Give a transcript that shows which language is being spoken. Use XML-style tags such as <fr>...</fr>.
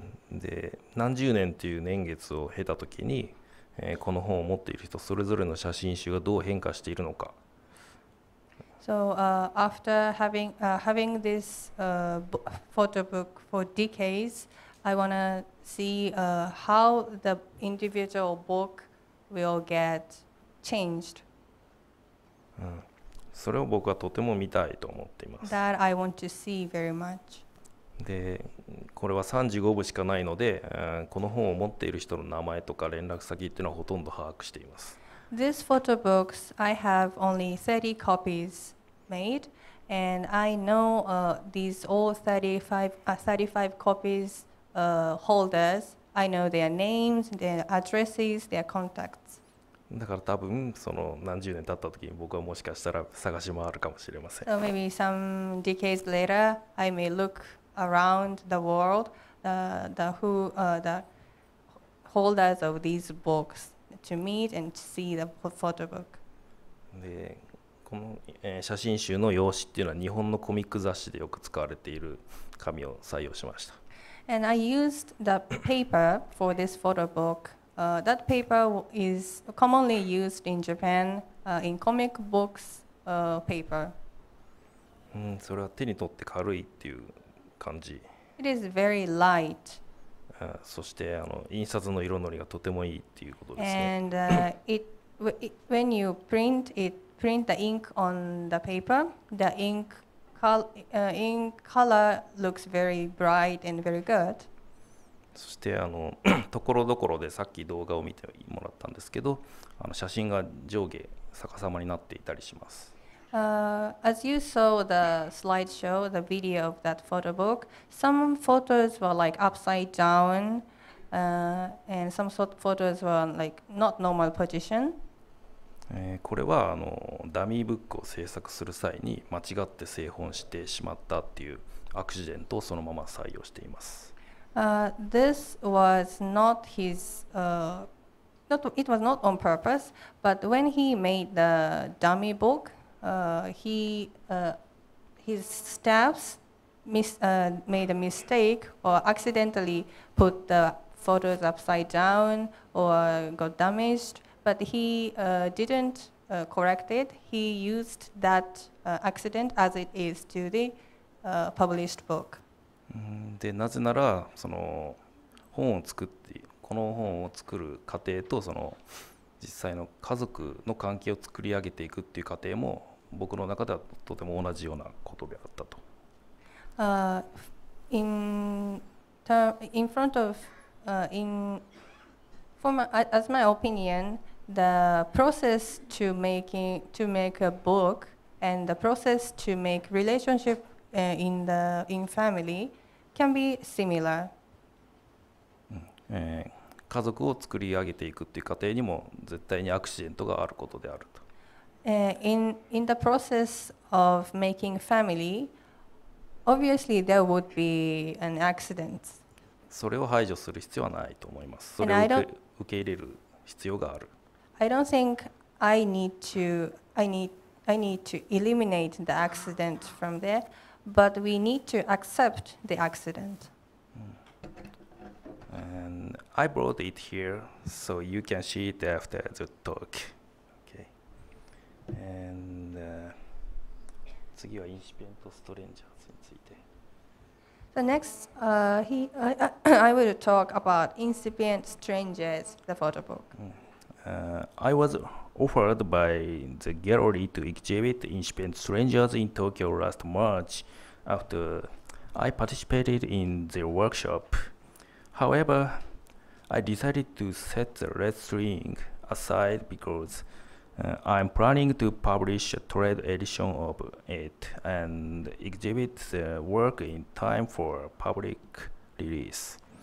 <ja>で、何十年という年月を経たときに。この本を持っている人それぞれの写真集がどう変化しているのか。</ja> <en>So, after having this, photo book for decades, I want to see, how the individual book will get changed.</en> <ja>それを僕はとても見たいと思っています。</ja> <en>That I want to see very much.</en> <ja>でこれは35部しかないので、この本を持っている人の名前とか連絡先っていうのはほとんど把握しています。</ja> <en>This photo books, I have only 30 copies made, and I know, these all 35 copies, holders. I know their names, their addresses, their contacts.</en> <ja>だから多分その何十年経った時に僕はもしかしたら探し回るかもしれません。</ja> <en>So maybe some decades later, I may look. Around the world, the holders of these books to meet and to see the photo book.</en> <ja>で、この、写真集の表紙っていうのは日本のコミック雑誌でよく使われている紙を採用しました。</ja> <en>And I used the paper for this photo book. That paper is commonly used in Japan, in comic books, paper.</en> <ja>それは手に取って軽いっていう。感じ。</ja> <en>It is very light.</en> <ja>そしてあの印刷の色のりがとてもいいっていうことですね。</ja> <en>And, when you print the ink on the paper, the ink color looks very bright and very good.</en> <ja>そしてあのところどころでさっき動画を見てもらったんですけど、あの写真が上下逆さまになっていたりします。</ja> <en>As you saw the slideshow, the video of that photo book, some photos were like upside down, and some sort of photos were like not normal position.</en> <ja>これはあのダミーブックを制作する際に間違って製本してしまったっていうアクシデントをそのまま採用しています。</ja> <en>This was not his, it was not on purpose, but when he made the dummy book, his staffs made a mistake or accidentally put the photos upside down or got damaged, but he didn't correct it. He used that accident as it is to the published book.</en> <ja>でなぜならその本を作ってこの本を作る過程とその実際の家族の関係を作り上げていくっていう過程も僕の中ではとても同じようなことであったと。</ja> <en>In front of in for my as my opinion, the process to making to make a book and the process to make relationship in the in family. Can be similar.</en> <ja>家族を作り上げていくっていう過程にも絶対にアクシデントがあることであると。</ja> <en>In the process of making family, obviously there would be an accident.</en> <ja>それを排除する必要はないと思います。それを受け入れる必要がある。</ja> <en>I don't think I need to eliminate the accident from there. But we need to accept the accident. And I brought it here so you can see it after the talk. Okay.</en> <ja>And 次はインシペントストレンジャーズについて。</ja> <en>The next, I will talk about Incipient Strangers, the photo book. I was offered by the gallery to exhibit Incipient Strangers in Tokyo last March. After I participated in the workshop, however, I decided to set the red string aside because I'm planning to publish a trade edition of it and exhibit the work in time for public release.</en>